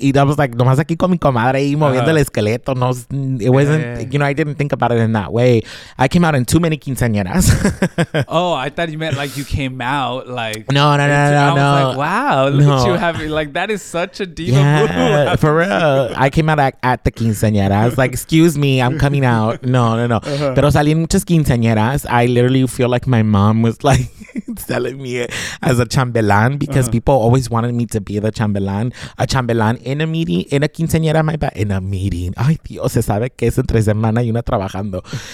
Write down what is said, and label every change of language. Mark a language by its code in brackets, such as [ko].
[en] Y I was like, [es] nomás aquí con mi comadre y moviendo el esqueleto. [en] No, it wasn't, you know, I didn't think about it in that way. I came out in too many quinceañeras. Oh, I thought you meant like you came out like. No. I was like, wow, look at you having, like, that is such a diva move. For real. I came out at the quinceañeras. Like, excuse me, I'm coming out. No. [es] Pero salí en muchas quinceañeras. [en] I literally feel like my mom was like selling me as a chambelán because people always wanted me to be the chambelán. A chambelán in a meeting, in a quinceañera, my bad, in a meeting. [es] Ay, Dios, se sabe que es entre semana y una trabajando.